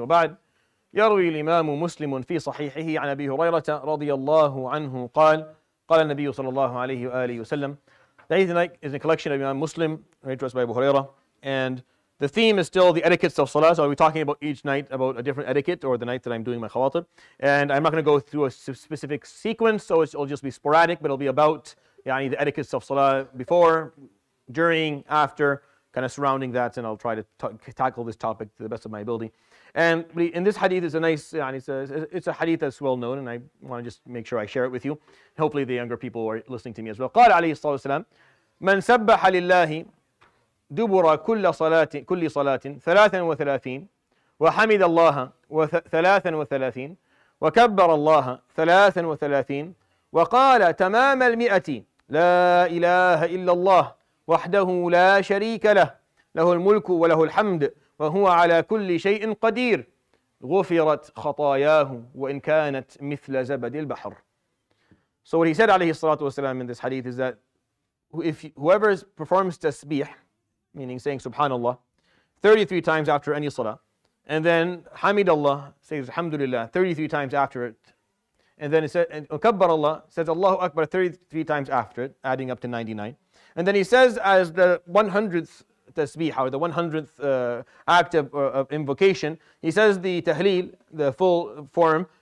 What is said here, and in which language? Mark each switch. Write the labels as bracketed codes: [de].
[ar] وبعد، يروي الإمام مسلم في صحيحه عن أبي هريرة رضي الله عنه قال قال النبي صلى الله عليه وآله وسلم. [en] The Hadith tonight is a collection of Imam Muslim, addressed by Abu Huraira, and the theme is still the etiquettes of Salah. So I'll be talking about each night about a different etiquette or the night that I'm doing my khawatir. And I'm not going to go through a specific sequence, so it'll just be sporadic, but it'll be about يعني, the etiquettes of Salah before, during, after, kind of surrounding that, and I'll try to tackle this topic to the best of my ability. And in this hadith is a nice, it's a hadith that's well known, and I want to just make sure I share it with you. Hopefully the younger people are listening to me as well. [ar] قال عليه الصلاة والسلام من سبح لله دبر كل صلاة 33 وحمد الله 33 وكبر الله 33 وقال تمام المئة لا إله إلا الله وحده لا شريك له له الملك وله الحمد وهو على كل شيء قدير غفرت خطاياه وإن كانت مثل زبد البحر. [en] So what he said [ar] عليه الصلاة والسلام [en] in this hadith is that if whoever performs tasbih, meaning saying subhanallah 33 times after any salah, and then hamidallah says alhamdulillah 33 times after it, and then he said kabbarallah says Allahu Akbar 33 times after it, adding up to 99, and then he says as the 100th tasbih, or the 100th act of invocation, he says the tahleel, the full form.